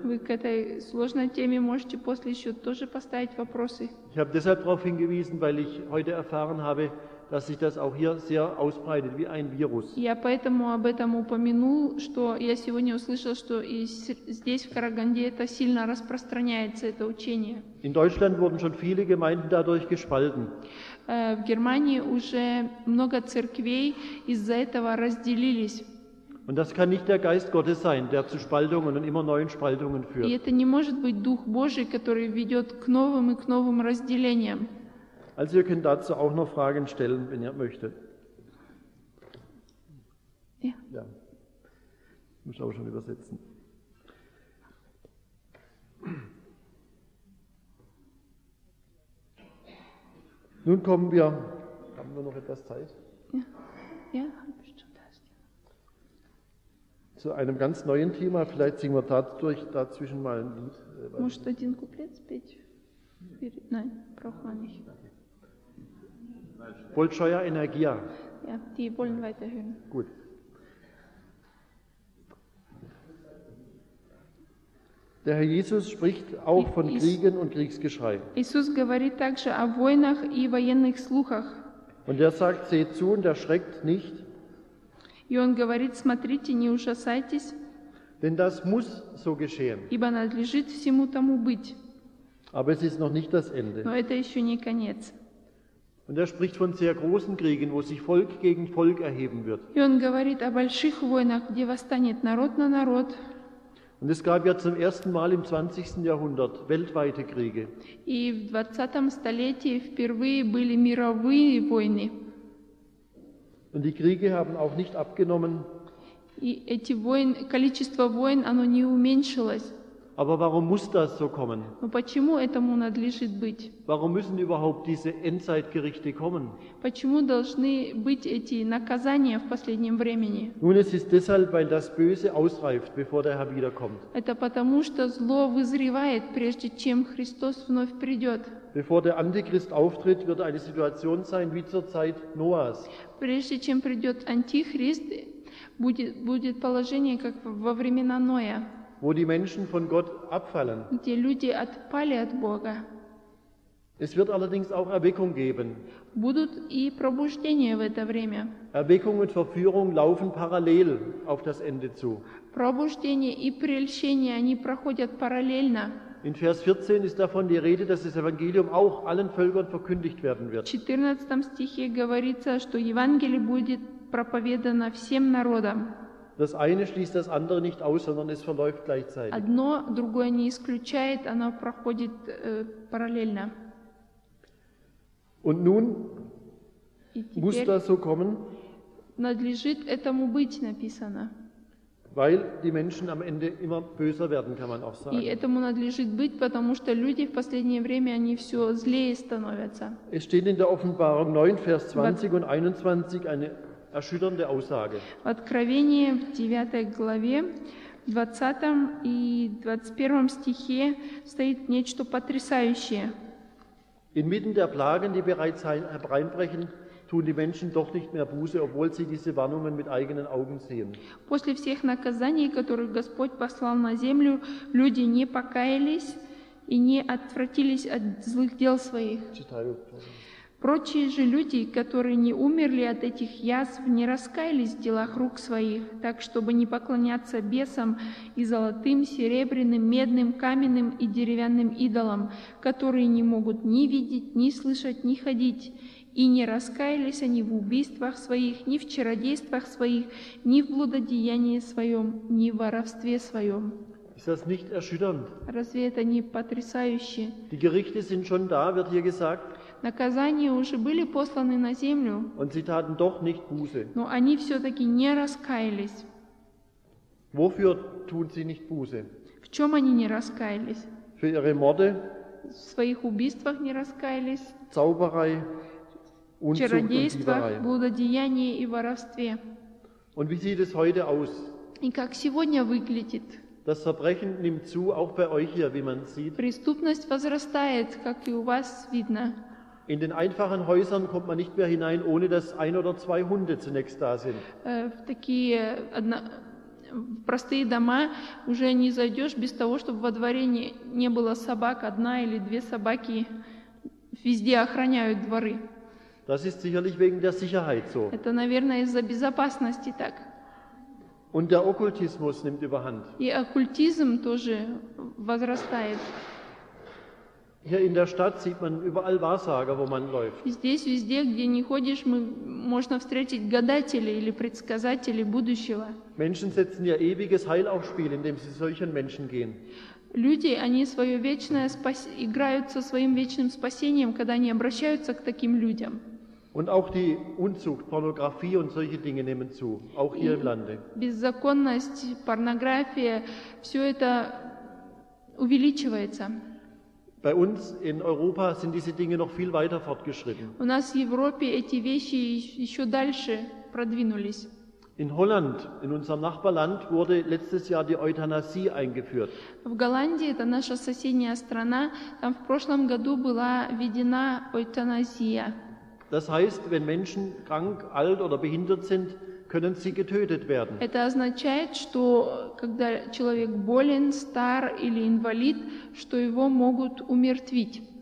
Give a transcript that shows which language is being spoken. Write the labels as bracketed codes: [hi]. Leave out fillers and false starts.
[ru] Вы к этой сложной теме можете после еще тоже поставить вопросы. [de] Ich habe deshalb darauf hingewiesen, weil ich heute erfahren habe, dass sich das auch hier sehr ausbreitet, wie ein Virus. [ru] Я поэтому об этом упомянул, что я сегодня услышал, что и здесь, в Караганде, это сильно распространяется, это учение. [de] In Deutschland wurden schon viele Gemeinden dadurch gespalten. [ru] В Германии уже много церквей из-за этого разделились. [de] Und das kann nicht der Geist Gottes sein, der zu Spaltungen und immer neuen Spaltungen führt. [ru] И это не может быть Дух Божий, который ведет к новым и к новым разделениям. [de] Also ihr könnt dazu auch noch Fragen stellen, wenn ihr möchtet. Ja. Ich muss auch schon übersetzen. Nun kommen wir, haben wir noch etwas Zeit? Ja, habe ich schon. Zu einem ganz neuen Thema, vielleicht singen wir dazwischen mal ein Lied. Musst du den Couplet spielen? Nein, brauchen wir nicht. [ru] Bolshoja Energia. [de] Ja, die wollen weiterhören. Gut. Der Herr Jesus spricht auch von Kriegen und Kriegsgeschrei. [ru] Jesus говорит также о войнах и военных слухах. [de] Und er sagt, seht zu und erschreckt nicht. [ru] И он говорит, смотрите, не ужасайтесь. [de] Denn das muss so geschehen. [ru] Ибо надлежит всему тому быть. [de] Aber es ist noch nicht das Ende. [ru] Но это еще не конец. [de] Und er spricht von sehr großen Kriegen, wo sich Volk gegen Volk erheben wird. [ru] И он говорит о больших войнах, где восстанет народ на народ. [de] Und es gab ja zum ersten Mal im 20. Jahrhundert weltweite Kriege. [ru] И в 20-м столетии впервые были мировые войны. [de] Und die Kriege haben auch nicht abgenommen. [ru] И эти войны, количество войн, оно не уменьшилось. [de] Aber warum muss das so kommen? [ru] Но почему этому надлежит быть? [de] Warum müssen überhaupt diese Endzeitgerichte kommen? [ru] Почему должны быть эти наказания в последнем времени? [de] Nun, es ist deshalb, weil das Böse ausreift, bevor der Herr wiederkommt. [ru] Это потому, что зло вызревает, прежде чем Христос вновь придет. [de] Bevor der Antichrist auftritt, wird eine Situation sein wie zur Zeit Noahs. [ru] Прежде чем придет Антихрист, будет положение, как во времена Ноя. [de] Wo die Menschen von Gott abfallen. [ru] Где люди отпали от Бога. [de] Es wird allerdings auch Erweckung geben. [ru] Будут и пробуждения в это время. [de] Erweckung und Verführung laufen parallel auf das Ende zu. [ru] Пробуждение и прельщение, они проходят параллельно. [de] In Vers 14 ist davon die Rede, dass das Evangelium auch allen Völkern verkündigt werden wird. [ru] В 14 стихе говорится, что Евангелие будет проповедано всем народам. [de] Das eine schließt das andere nicht aus, sondern es verläuft gleichzeitig. [ru] Одно другое не исключает, оно проходит параллельно. [de] Und nun muss das so kommen. [ru] Надлежит этому быть, написано. [de] Weil die Menschen am Ende immer böser werden, kann man auch sagen. [ru] И этому надлежит быть, потому что люди в последнее время они все злее становятся. [de] Es steht in der Offenbarung 9, Vers 20 und 21 eine erschütternde Aussage. [ru] В Откровении в 9 главе, 20 и 21 стихе стоит нечто потрясающее. [de] Inmitten der Plagen, die bereits hereinbrechen, tun die Menschen doch nicht mehr Buße, obwohl sie diese Warnungen mit eigenen Augen sehen. [ru] После всех наказаний, которые Господь послал на землю, люди не покаялись и не отвратились от злых дел своих. Читаю. Прочие же люди, которые не умерли от этих язв, не раскаялись в делах рук своих, так, чтобы не поклоняться бесам и золотым, серебряным, медным, каменным и деревянным идолам, которые не могут ни видеть, ни слышать, ни ходить. И не раскаялись они в убийствах своих, ни в чародействах своих, ни в блудодеянии своем, ни в воровстве своем. [de] Ist das nicht erschütternd? [ru] Разве это не потрясающе? [de] Die Gerichte sind schon da, wird hier gesagt. [ru] Наказания уже были посланы на землю. [de] Und sie taten doch nicht Buße. [ru] Но они все-таки не раскаялись. [de] Wofür tun sie nicht Buße? [ru] В чем они не раскаялись? [de] Für ihre Morde? [ru] В своих убийствах не раскаялись. [de] Zauberei, Unzucht, [ru] чародействах, [de] und [ru] блудодеянии и воровстве. [de] Und wie sieht es heute aus? [ru] И как сегодня выглядит? [de] Das Verbrechen nimmt zu, auch bei euch hier, wie man sieht. [ru] Преступность возрастает, как и у вас видно. [de] In den einfachen Häusern kommt man nicht mehr hinein, ohne dass ein oder zwei Hunde zunächst da sind. [ru] В простые дома уже не зайдешь без того, чтобы во дворе не было собак, одна или две собаки везде охраняют дворы. [de] Das ist sicherlich wegen der Sicherheit so. [ru] Это, наверное, из-за безопасности так. [de] Und der Okkultismus nimmt überhand. [ru] И оккультизм тоже возрастает. [de] Hier in der Stadt sieht man überall Wahrsager, wo man läuft. [ru] Здесь, везде, где не ходишь, можно встретить гадателей или предсказателей будущего. [de] Menschen setzen ihr ewiges Heil aufs Spiel, indem sie solchen Menschen gehen. [ru] Люди, они свое вечное играют со своим вечным спасением, когда они обращаются к таким людям. [de] Und auch die Unzucht, Pornografie und solche Dinge nehmen zu, auch hier im Lande. [ru] Беззаконность, порнография, все это увеличивается. [de] Bei uns in Europa sind diese Dinge noch viel weiter fortgeschritten. [ru] У нас в Европе эти вещи еще дальше продвинулись. [de] In Holland, in unserem Nachbarland, wurde letztes Jahr die Euthanasie eingeführt. [ru] В Голландии, это наша соседняя страна, там в прошлом году была введена эвтаназия. [de] Das heißt, wenn Menschen krank, alt oder behindert sind, können sie getötet werden. [ru] Это означает, что когда человек болен, стар или инвалид, что его могут умертвить.